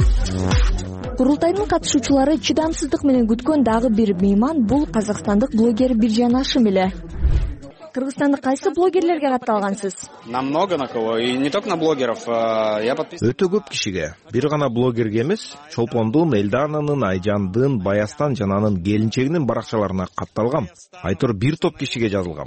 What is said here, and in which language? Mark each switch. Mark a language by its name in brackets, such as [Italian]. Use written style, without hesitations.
[Kyrgyz] Курултайдын катышуучулары чыдамсыздык менен күткөн дагы бир мейман бул казакстандык блогер Биржан Ашым эле. Кыргызстанда кайсы блогерлерге катталгансыз? [Russian] Намного на кого, и не только на блогеров, я подписан. [Kyrgyz] Өтө көп кишиге. Бир гана блогерге эмес, Чолпондун, Элдананын, Айжандын, Баястан жананын келинчегинин баракчаларына катталгам. Айтор бир топ кишиге жазылгам.